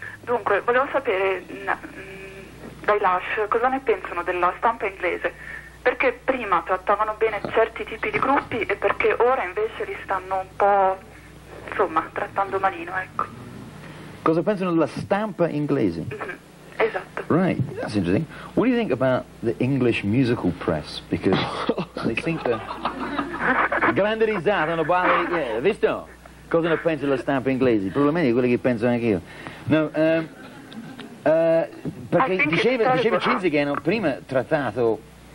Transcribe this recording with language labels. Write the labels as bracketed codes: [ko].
[it] Dunque, volevo sapere, dai Lush, cosa ne pensano della stampa inglese? Perché prima trattavano bene certi tipi di gruppi e perché ora invece li stanno un po', insomma, trattando malino, ecco. Cosa pensano della stampa inglese? Esatto. [en] Right, that's interesting. What do you think about the English musical press? Because they think that... [it] Grande risata, hanno parlato di... Visto? Cosa ne pensano della stampa inglese? Probabilmente quello che penso anche io. No, perché diceva Cinzia che hanno prima trattato...